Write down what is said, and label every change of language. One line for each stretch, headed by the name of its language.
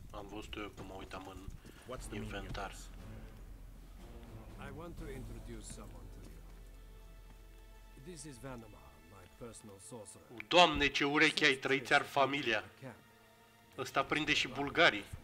Romanian: Am văzut eu că mă uitam în inventar.
English: I want to introduce someone to you. This is Vandemar, my personal sorcerer.
Romanian: Doamne, ce urechi ai, trăiți-ar familia! Ăsta prinde și bulgarii.